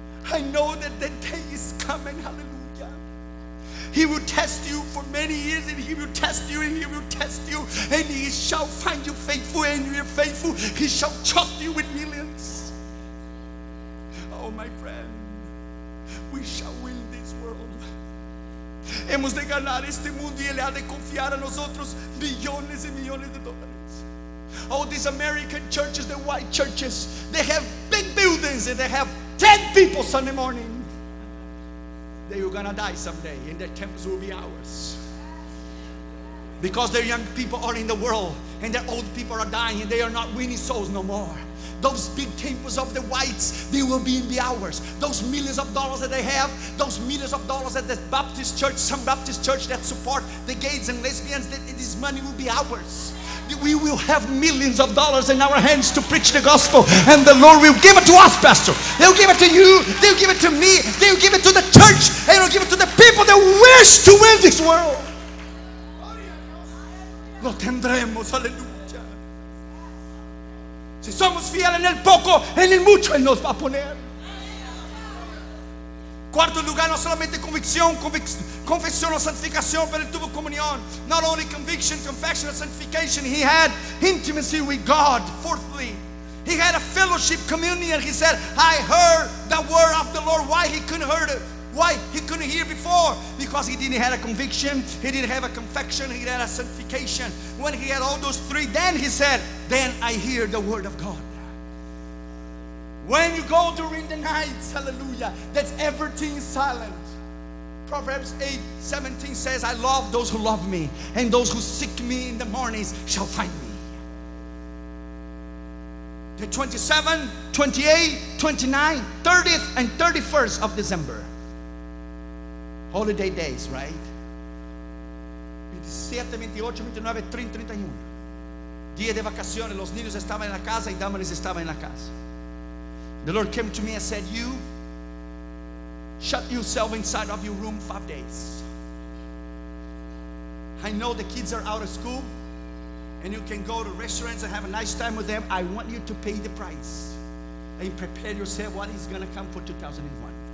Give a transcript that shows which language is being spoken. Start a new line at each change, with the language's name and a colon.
English: I know that the day is coming, hallelujah. He will test you for many years, and he will test you, and he will test you, and he shall find you faithful, and you are faithful. He shall trust you with millions. Oh, my friend, we shall win this world.
Spanish: Hemos de ganar este mundo, y él ha de confiar a nosotros millones y millones de dólares.
English: All these American churches, the white churches, they have big buildings, and they have 10 people Sunday morning. They are gonna die someday, and their temples will be ours. Because their young people are in the world, and their old people are dying, and they are not winning souls no more. Those big temples of the whites, they will be in the hours. Those millions of dollars that they have, those millions of dollars that the Baptist church, some Baptist church that support the gays and lesbians, that this money will be ours. We will have millions of dollars in our hands to preach the gospel, and the Lord will give it to us, Pastor. They'll give it to you, they'll give it to me, they'll give it to the church, and they'll give it to the people that wish to win this world.
Spanish: Lo tendremos, aleluya. Si somos fieles en el poco, en el mucho Él nos va a poner. Cuarto lugar, no solamente convicción, confesión o santificación, pero él tuvo comunión.
English: Not only conviction, confession, or sanctification, he had intimacy with God. Fourthly, he had a fellowship, communion. He said, I heard the word of the Lord. Why he couldn't hear it? Why he couldn't hear before? Because he didn't have a conviction, he didn't have a confession, he had a sanctification. When he had all those three, then he said, then I hear the word of God. When you go during the night, hallelujah, that's everything silent. Proverbs 8:17 says, I love those who love me, and those who seek me in the mornings shall find me. The 27, 28, 29, 30th, and 31st of December. Holiday days, right? 27, 28, 29, 30, 31.
Spanish: Día de vacaciones, los niños estaban en la casa y damas estaban en la casa.
English: The Lord came to me and said, you shut yourself inside of your room 5 days. I know the kids are out of school and you can go to restaurants and have a nice time with them. I want you to pay the price and prepare yourself what is going to come for 2001.